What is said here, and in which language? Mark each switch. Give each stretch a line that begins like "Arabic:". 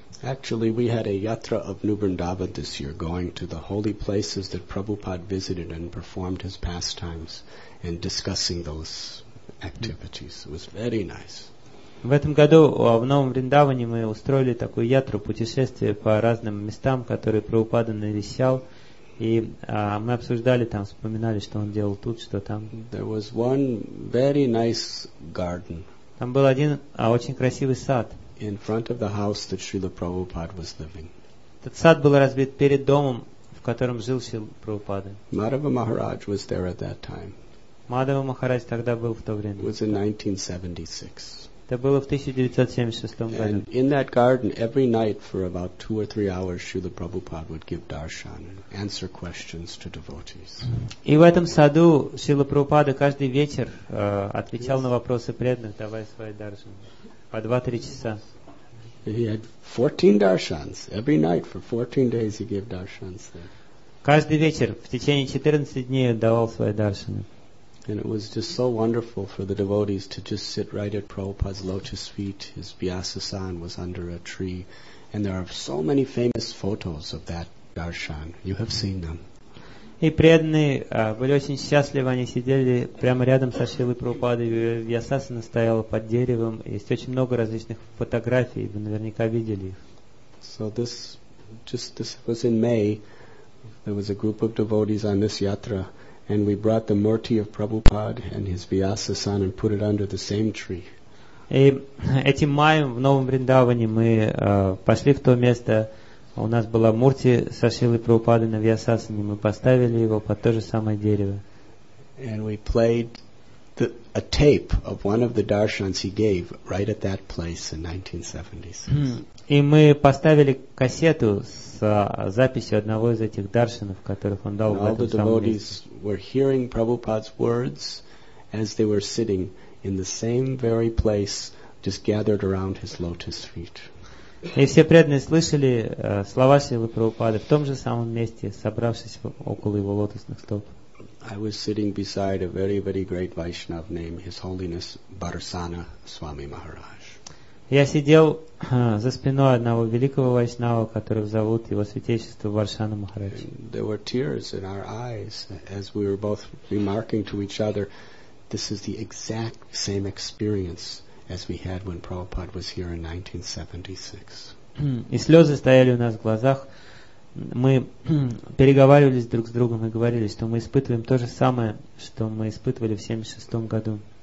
English: Actually, we had a yatra of New Vrindavan this year, going to the holy places that Prabhupada visited and performed his pastimes and discussing those activities. It was very nice.
Russian: В этом году в Новом Вриндаване мы устроили такую ятру, путешествие по разным местам, которые Прабхупада навещал, и мы обсуждали там, вспоминали, что он делал тут, что там.
English: There was one very nice garden.
Russian: Там был один очень красивый сад.
English: In front of the house that Srila Prabhupada was living.
Russian: Этот сад был разбит перед домом, в котором жил Шрила Прабхупада.
English: Madhava Maharaj was there at that time.
Russian: Мадхава Махарадж тогда был в то время.
English: It was in 1976.
Russian: Это было в 1976 году.
English: And in that garden, every night for about 2 or 3 hours, Srila Prabhupada would give darshan and answer questions to devotees.
Russian: И в этом саду Шрила Прабхупада каждый вечер отвечал на вопросы преданных, давая свои даршаны по 2-3 часа.
English: He had 14 darshans. Every night for 14 days he gave darshans there.
Russian: Каждый вечер в течение 14 дней давал свои даршаны.
English: And it was just so wonderful for the devotees to just sit right at Prabhupada's lotus feet. His Vyasa-san was under a tree. And there are so many famous photos of that darshan. You have seen them.
Russian: И преданные были очень счастливы. Они сидели прямо рядом со Шрилой Прабхупадой. Вьясасана стояла под деревом. Есть очень много различных фотографий. Вы наверняка видели их.
English: So this was in May. There was a group of devotees on this yatra. And we brought the murti of Prabhupada and his Vyasa-san and put it under the same tree.
Russian: И этим маем в Новом Вриндаване мы пошли в то место. У нас была мурти со Шрилой Прабхупадой на Вьясасане. Мы поставили его под то же самое дерево.
English: And we played a tape of one of the darshans he gave right at that place in 1976.
Russian: И мы поставили кассету с записью одного из этих даршанов, которых он дал в этом самом месте.
English: All the devotees were hearing Prabhupada's words as they were sitting in the same very place, just gathered around his lotus feet.
Russian: И все преданные слышали слова Шрилы Прабхупады в том же самом месте, собравшись около его лотосных стоп.
English: I was sitting beside a very, very great Vaishnav named His Holiness Barsana Swami Maharaj.
Russian: Я сидел за спиной одного великого вайшнава, которого зовут его святейшество Варшана Махарадж.
English: There were tears in our eyes as we were both remarking to each other, this is the exact same experience as we had when Prabhupada was here in 1976.
Russian: И слезы стояли у нас в глазах. Мы переговаривались друг с другом и говорили, что мы испытываем то же самое, что мы испытывали в 76 году.